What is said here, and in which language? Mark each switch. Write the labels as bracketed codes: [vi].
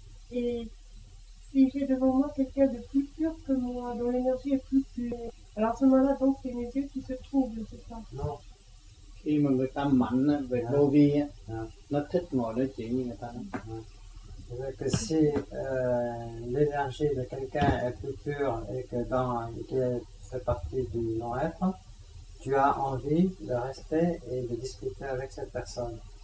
[fr] Et si j'ai devant moi quelqu'un de plus pur que moi, dont l'énergie est plus pure, alors à ce moment-là, donc, c'est mes yeux qui se troublent, c'est ça? Non. [vi] Khi mà người ta mạnh về vô vi, nó thích ngồi nói chuyện với người ta. [fr] C'est-à-dire que si l'énergie de quelqu'un est plus pure et que dans qu'elle fait partie du non-être, tu as envie de rester et de discuter avec cette personne.